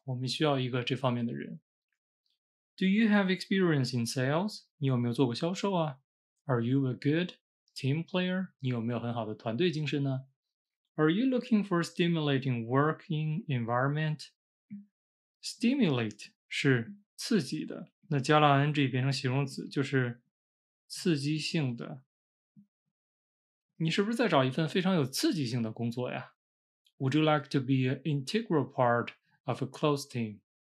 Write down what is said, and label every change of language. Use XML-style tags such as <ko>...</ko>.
<zh>我们需要一个这方面的人。</zh> <en>Do you have experience in sales?</en> <zh>你有没有做过销售啊？</zh> <en>Are you a good team player?</en> <zh>你有没有很好的团队精神呢？</zh> <en>Are you looking for a stimulating working environment?</en> <zh>Stimulate 是刺激的，那加了 ing 变成形容词就是刺激性的。你是不是在找一份非常有刺激性的工作呀？</zh> <en>Would you like to be an integral part of a close team?</en>